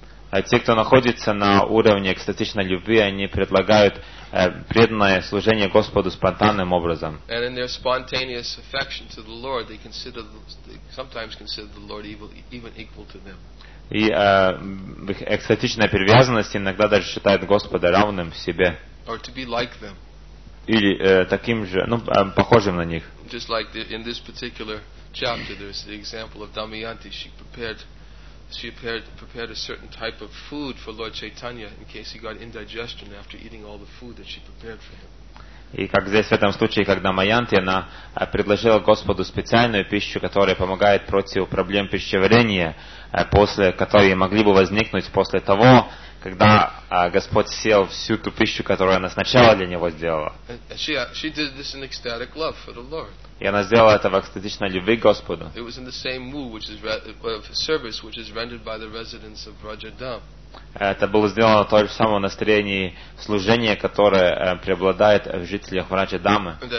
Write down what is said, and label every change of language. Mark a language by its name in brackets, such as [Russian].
[Russian] А те, кто находится на уровне экстатичной любви, они предлагают преданное служение Господу спонтанным образом. [English] And in their spontaneous affection to the Lord, they consider, they sometimes consider the Lord even equal to them. [Russian] И в их экстатичной привязанности иногда даже считают Господа равным себе. [English] Or to be like them. [Russian] Или таким же, ну, похожим на них. [English] Just like the, in this particular chapter, there's the example of Damayanti. She prepared a certain type of food for Lord Chaitanya in case he got indigestion after eating all the food that she prepared for him. [Russian] И как здесь в этом случае, когда Майянти, она предложила Господу специальную пищу, которая помогает против проблем пищеварения, после которой могли бы возникнуть после того, когда Господь съел всю ту пищу, которую она сначала для него сделала. [English] She did this in ecstatic love for the Lord. [Russian] И она сделала это в экстатичной любви к Господу. [English] It was in the same mood, which is service, which is rendered by the residents of Rajadham. [Russian] Это было сделано в том же самом настроении служения, которое преобладает в жителях Раджа-дамы.